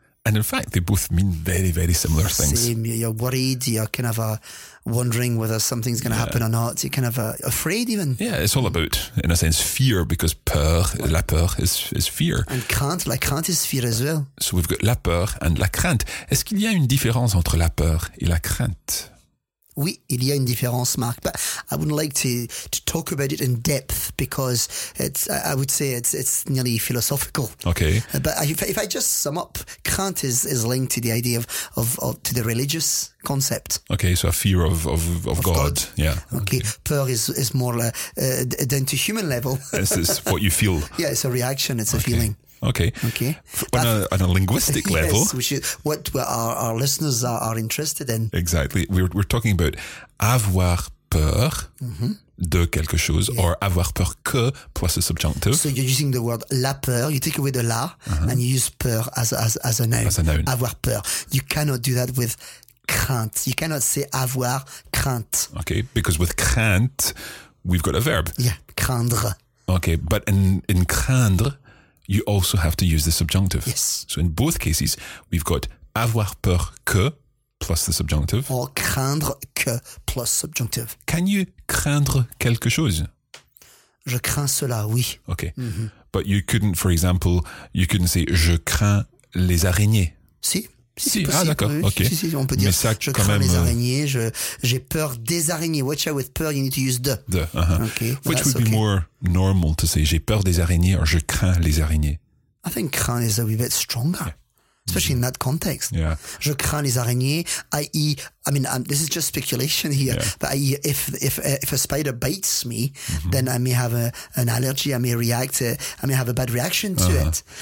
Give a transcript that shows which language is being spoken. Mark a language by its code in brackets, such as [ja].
[en] And in fact, they both mean very, very similar things. Same. You're worried, you're kind of wondering whether something's going to happen or not. You're kind of afraid even. Yeah, it's all about, in a sense, fear, because peur, la peur is fear. And crainte, la crainte is fear as well. So we've got la peur and la crainte. [fr] Est-ce qu'il y a une différence entre la peur et la crainte? Oui, il y a une différence, Marc, [en] but I wouldn't like to talk about it in depth because I would say it's nearly philosophical. Okay. But if I just sum up, crainte is linked to the idea of to the religious concept. Okay, so a fear of God. God. Yeah. Okay. Peur is more down to human level. This is what you feel. Yeah, it's a reaction. It's a feeling. Okay. Okay. On a linguistic level. Yes, what our listeners are interested in. Exactly. We're talking about [fr] avoir peur de quelque chose, [en] yeah. Or avoir peur que plus a subjunctive. So you're using the word la peur, you take away the la, and you use peur as a noun. As a noun. [fr] Avoir peur. [en] You cannot do that with crainte. You cannot say avoir crainte. Okay, because with crainte, we've got a verb. Yeah, craindre. Okay, but in craindre, you also have to use the subjunctive. Yes. So in both cases, we've got [fr] avoir peur que [en] plus the subjunctive. Or [fr] craindre que [en] plus subjunctive. Can you [fr] craindre quelque chose? Je crains cela, oui. [en] Okay. Mm-hmm. But you couldn't, for example, you couldn't say [fr] je crains les araignées. Si, possible. Ah, d'accord, ok. Si, on peut dire, je crains les araignées, j'ai peur des araignées. [en] Watch out with peur, you need to use the. Uh-huh. Okay. Which would be more normal to say, [fr] j'ai peur des araignées, [en] or [fr] je crains les araignées. [en] I think crains is a wee bit stronger. Yeah. Especially in that context. Yeah. [fr] Je crains les araignées, [en] I mean, this is just speculation here, yeah. But if a spider bites me, then I may have an allergy, I may have a bad reaction to it.